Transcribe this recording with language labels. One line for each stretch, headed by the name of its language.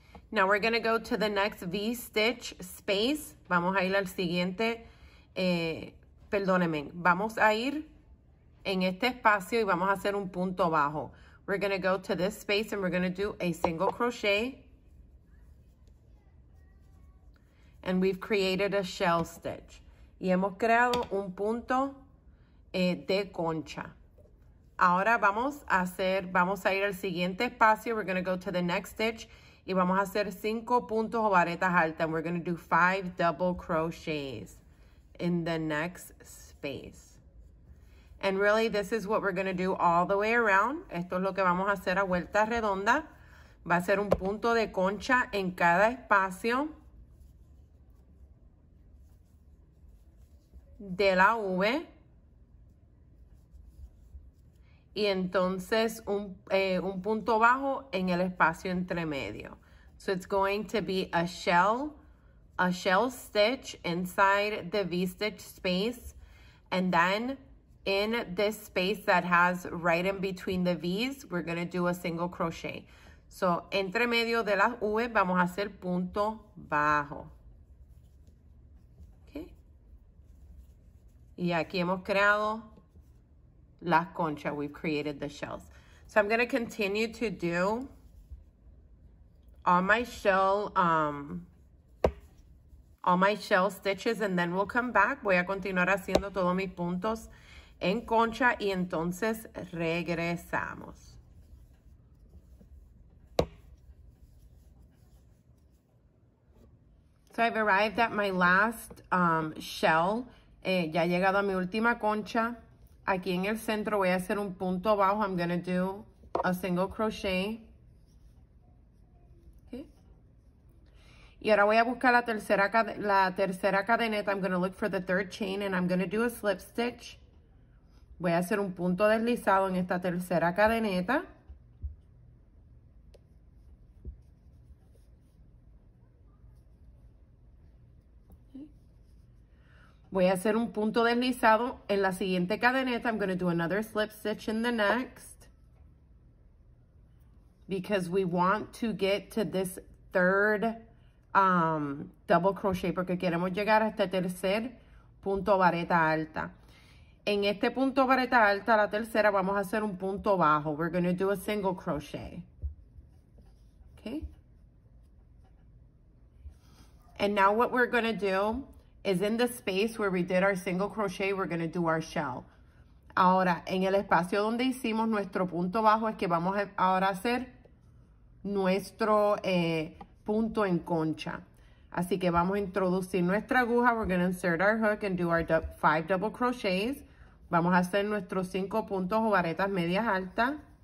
English: Now we're going to go to the next V-stitch space.
Spanish: Vamos a ir al siguiente, perdónenme, vamos a ir en este espacio y vamos a hacer un punto bajo.
English: We're going to go to this space and we're going to do a single crochet. And we've created a shell stitch.
Spanish: Y hemos creado un punto de concha. Ahora vamos a ir al siguiente espacio.
English: We're going to go to the next stitch.
Spanish: Y vamos a hacer cinco puntos o varetas altas.
English: We're going to do five double crochets in the next space. And really, this is what we're going to do all the way around.
Spanish: Esto es lo que vamos a hacer a vuelta redonda. Va a ser un punto de concha en cada espacio de la V. Y entonces un punto bajo en el espacio entre medio.
English: So it's going to be a shell stitch inside the V-stitch space. And then in this space that has right in between the V's, we're going to do a single crochet.
Spanish: So entre medio de las V, vamos a hacer punto bajo. Okay. Y aquí hemos creado las conchas.
English: We've created the shells. So I'm going to continue to do all my shell stitches, and then we'll come back.
Spanish: Voy a continuar haciendo todos mis puntos en concha y entonces regresamos.
English: So I've arrived at my last shell.
Spanish: Ya he llegado a mi última concha. Aquí en el centro voy a hacer un punto bajo.
English: I'm gonna do a single crochet.
Spanish: Y ahora voy a buscar la tercera cadeneta.
English: I'm going to look for the third chain and I'm going to do a slip stitch.
Spanish: Voy a hacer un punto deslizado en esta tercera cadeneta. Voy a hacer un punto deslizado en la siguiente cadeneta.
English: I'm going to do another slip stitch in the next. Because we want to get to this third double crochet,
Spanish: porque queremos llegar a este tercer punto vareta alta. En este punto vareta alta, la tercera, vamos a hacer un punto bajo.
English: We're going to do a single crochet. Okay. And now what we're going to do is in the space where we did our single crochet, we're going to do our shell.
Spanish: Ahora, en el espacio donde hicimos nuestro punto bajo, es que vamos a ahora hacer nuestro punto en concha. Así que vamos a introducir nuestra aguja.
English: We're going to insert our hook and do our five double crochets.
Spanish: Vamos a hacer nuestros 5 puntos o varetas medias altas.